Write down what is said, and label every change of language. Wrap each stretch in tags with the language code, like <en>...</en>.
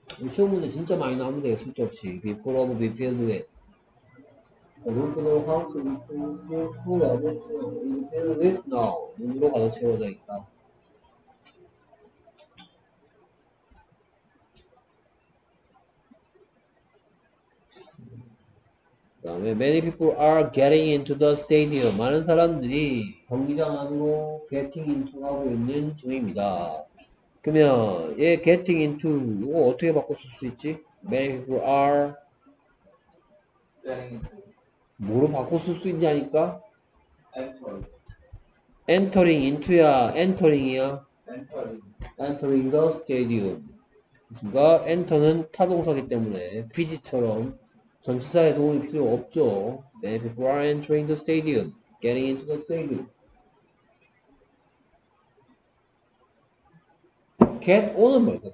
<ko>시험 문제 진짜 많이 나오는데요, 쓸데없이.</ko> <en>Be full of, be filled with. The roof of the house is full of, is filled with snow.</en> <ko>눈으로 가득 채워져 있다. 그 다음에,</ko> <en>many people are getting into the stadium.</en> <ko>많은 사람들이 경기장 안으로</ko> <en>getting into</en> <ko>하고 있는 중입니다. 그러면 얘</ko> <en>getting into</en> <ko>이거 어떻게 바꿨을 수 있지?</ko> <en>Many people are getting into</en> <ko>뭐로 바꿨을 수 있냐니까?</ko> <en>Entering into야 entering이야 entering the stadium</en> <ko>그렇습니까? enter는 타동사기 때문에 비지처럼 전치사의 도움이 필요 없죠.</ko> <en>Many people are entering the stadium getting into the stadium Get on은</en> <ko>뭘까?</ko>